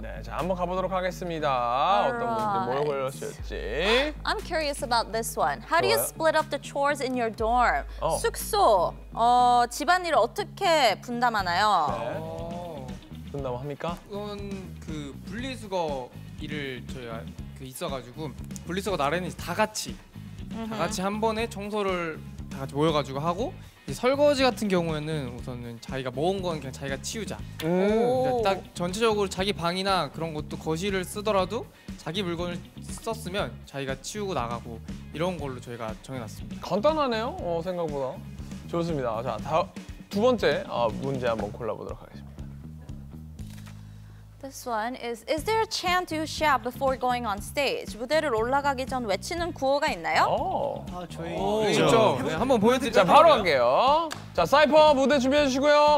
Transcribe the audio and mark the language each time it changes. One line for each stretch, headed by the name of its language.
Korean: 네, 자 한번 가보도록 하겠습니다. Alright. 어떤 분들 뭘 걸렸을지.
English: I'm curious about this one. How do you split up the chores in your dorm?
Korean: 숙소, 집안일을 어떻게 분담하나요? 네. 분담합니까? 이건 그 분리수거 일을 저희가 있어가지고 분리수거 나름이 다 같이 한 번에 청소를 다 같이 모여가지고 하고 이제 설거지 같은 경우에는 우선은 자기가 모은 건 그냥 자기가 치우자. 딱 전체적으로 자기 방이나 그런 것도 거실을 쓰더라도 자기 물건을 썼으면 자기가 치우고 나가고 이런 걸로 저희가 정해놨습니다. 간단하네요. 생각보다 좋습니다. 자, 두 번째 문제 한번 골라보도록 하겠습니다.
English: This one is there a chant you shout before going on stage?
Korean: 무대를 올라가기 전 외치는 구호가 있나요? 그렇죠. 네, 한번 보여드릴게요. 자, 바로 갈게요. 자, 사이퍼 무대 준비해 주시고요.